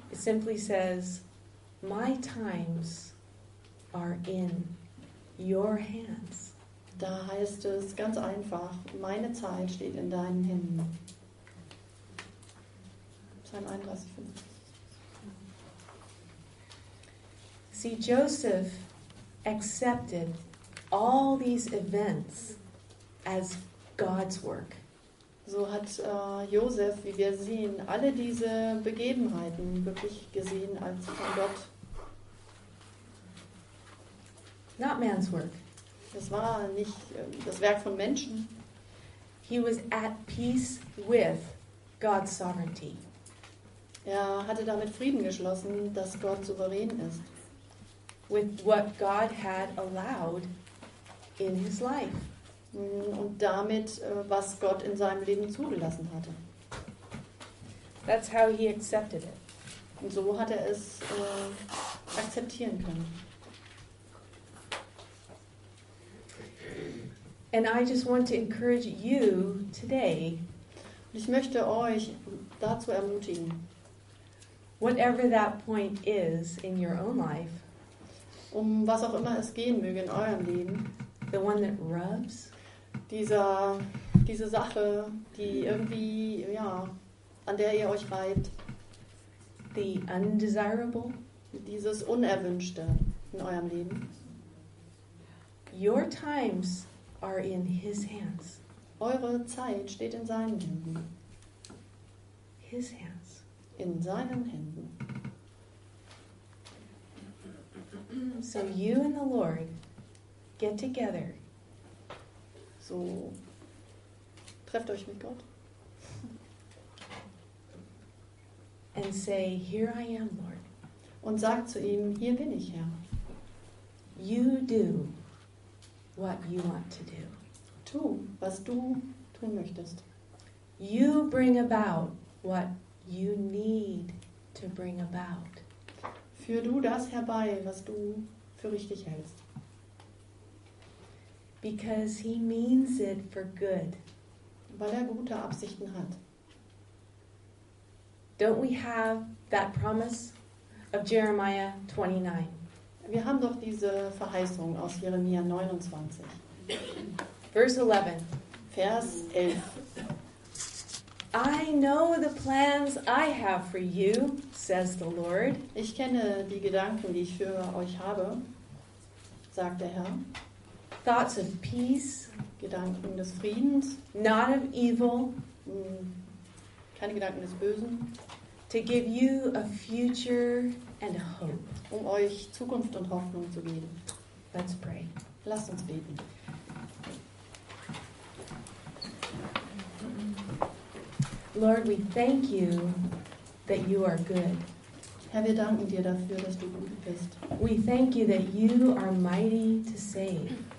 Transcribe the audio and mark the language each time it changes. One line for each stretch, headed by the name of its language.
English: It simply says, "My times are in your hands."
German: Da heißt es ganz einfach: Meine Zeit steht in deinen Händen.
English: Psalm 31, 15. See, Joseph accepted all these events as God's work.
German: So hat Josef, wie wir sehen, alle diese Begebenheiten wirklich gesehen als von Gott.
English: Not man's work.
German: Das war nicht das Werk von Menschen.
English: He was at peace with God's sovereignty.
German: Er hatte damit Frieden geschlossen, dass Gott souverän ist.
English: With what God had allowed in his life.
German: Und damit, was Gott in seinem Leben zugelassen hatte.
English: That's how he accepted it.
German: Und so hat er es akzeptieren können.
English: And I just want to encourage you today.
German: Und ich möchte euch dazu ermutigen.
English: Whatever that point is in your own life.
German: Um was auch immer es gehen möge in eurem Leben.
English: The one that rubs.
German: Diese Sache, die irgendwie, ja, an der ihr euch reibt.
English: The undesirable.
German: Dieses Unerwünschte in eurem Leben.
English: Your times are in his hands.
German: Eure Zeit steht in seinen Händen.
English: His hands.
German: In seinen Händen.
English: So you and the Lord get together.
German: So, trefft euch mit Gott.
English: And say, "Here I am, Lord."
German: Und sagt zu ihm, hier bin ich, Herr.
English: You do what you want to do.
German: Tu, was du tun möchtest.
English: You bring about what you need to bring about.
German: Führ du das herbei, was du für richtig hältst.
English: Because he means it for good.
German: Weil er gute Absichten hat.
English: Don't we have that promise of Jeremiah 29?
German: Wir haben doch diese Verheißung aus Jeremia 29.
English: Verse 11.
German: Vers 11.
English: I know the plans I have for you, says the Lord.
German: Ich kenne die Gedanken, die ich für euch habe, sagt der Herr.
English: Thoughts of peace,
German: Gedanken des Friedens,
English: not of evil,
German: keine Gedanken des Bösen,
English: to give you a future and a hope,
German: um euch Zukunft und Hoffnung zu geben.
English: Let's pray.
German: Lasst uns beten.
English: Lord, we thank you that you are good.
German: Herr, wir danken dir dafür, dass du gut bist.
English: We thank you that you are mighty to save.